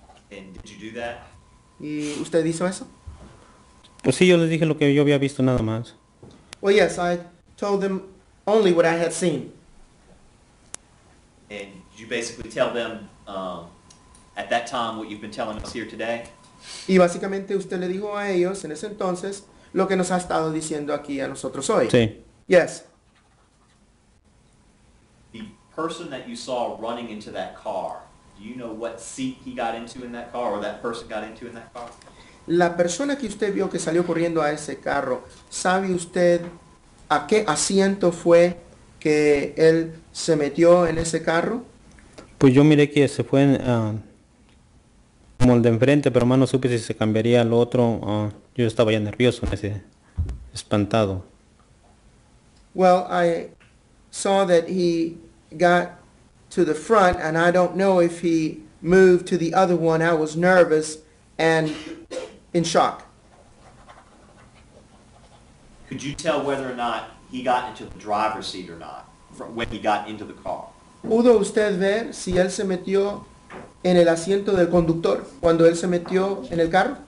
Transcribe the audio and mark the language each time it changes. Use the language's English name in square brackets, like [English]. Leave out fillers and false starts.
[English] And did you do that? [Spanish] ¿Y usted hizo eso? Pues sí, yo les dije lo que yo había visto nada más. [English] Well, yes, I told them only what I had seen. And did you basically tell them at that time what you've been telling us here today? [Spanish] Y básicamente usted le dijo a ellos en ese entonces lo que nos ha estado diciendo aquí a nosotros hoy. Sí. [English] Yes. The person that you saw running into that car, do you know what seat he got into in that car or that person got into in that car? [Spanish] La persona que usted vio que salió corriendo a ese carro, ¿sabe usted a qué asiento fue que él se metió en ese carro? Pues yo miré que se fue como el de enfrente, pero más no supe si se cambiaría al otro. Yo estaba ya nervioso, espantado. [English] Well, I saw that he got to the front, and I don't know if he moved to the other one. I was nervous and in shock. Could you tell whether or not he got into the driver's seat or not from when he got into the car? [Spanish] ¿Pudo usted ver si él se metió en el asiento del conductor cuando él se metió en el carro?